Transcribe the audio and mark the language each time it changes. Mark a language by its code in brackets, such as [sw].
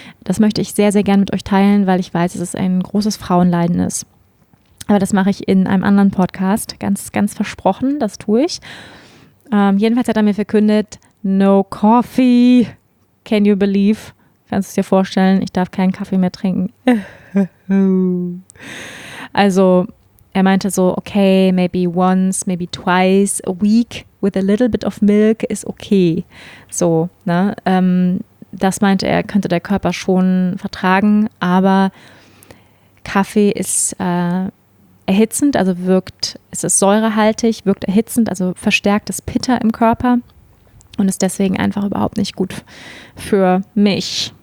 [de] Das möchte ich sehr, sehr gern mit euch teilen, weil ich weiß, dass es ein großes Frauenleiden ist. Aber das mache ich in einem anderen Podcast, ganz, ganz versprochen, das tue ich. Jedenfalls hat er mir verkündet, [en] no coffee, can you believe? [de] Kannst du es dir vorstellen, ich darf keinen Kaffee mehr trinken. Also er meinte so, [en] okay, maybe once, maybe twice a week with a little bit of milk is okay. [de] So, ne? Das meinte er, könnte der Körper schon vertragen, aber Kaffee ist erhitzend, also ist säurehaltig, wirkt erhitzend, also verstärkt das Pitta im Körper und ist deswegen einfach überhaupt nicht gut für mich.